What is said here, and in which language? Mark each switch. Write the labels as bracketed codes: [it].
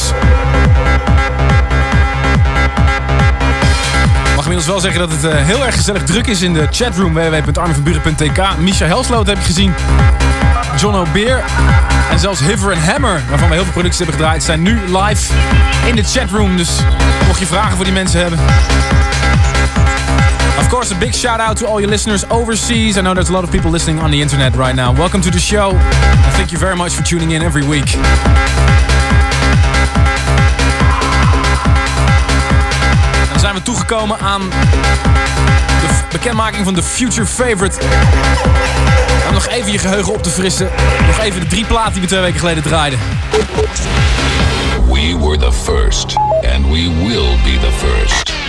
[nl] Ik mag inmiddels wel zeggen dat het heel erg gezellig druk is in de chatroom www.armevanburen.tk. Misha Helsloot heb ik gezien, John O'Beer en zelfs Hiver & Hammer, waarvan we heel veel producties hebben gedraaid, zijn nu live in de chatroom. Dus mocht je vragen voor die mensen hebben. [en] Of course, a big shout out to all your listeners overseas. I know there's a lot of people listening on the internet right now. Welcome to the show. Thank you very much for tuning in every week. [nl] Zijn we toegekomen aan de bekendmaking van de Future Favorite. Om nog even je geheugen op te frissen. Nog even de drie platen die we 2 weken geleden draaiden. [en] We were the first. And we will be the first.